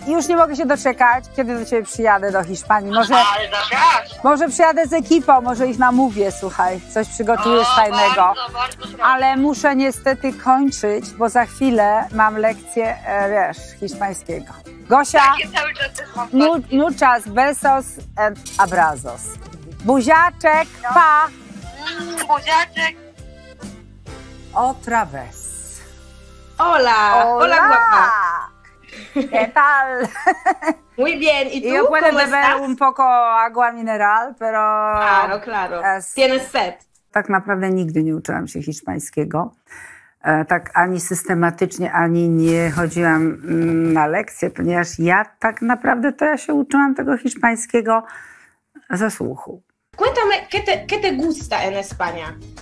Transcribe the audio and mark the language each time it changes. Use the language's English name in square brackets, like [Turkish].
[Polish] Już nie mogę się doczekać, kiedy do ciebie przyjadę do Hiszpanii. Może przyjadę z ekipą, może ich namówię, słuchaj, coś przygotujesz fajnego. Bardzo. Ale muszę niestety kończyć, bo za chwilę mam lekcję, hiszpańskiego. [Spanish] Gosia, muchas besos and abrazos. [Polish] Buziaczek, pa! Buziaczek. [Spanish] Otra vez. Hola, guapa. ¿Qué tal? Muy bien, ¿y tú? Yo puedo beber estás? Un poco agua mineral, pero... Claro. Tienes sed. [Polish] Tak naprawdę nigdy nie uczyłam się hiszpańskiego. Tak ani systematycznie, ani nie chodziłam na lekcje, ponieważ ja tak naprawdę to ja się uczyłam tego hiszpańskiego ze słuchu. [Spanish] Cuéntame, ¿qué te gusta en España?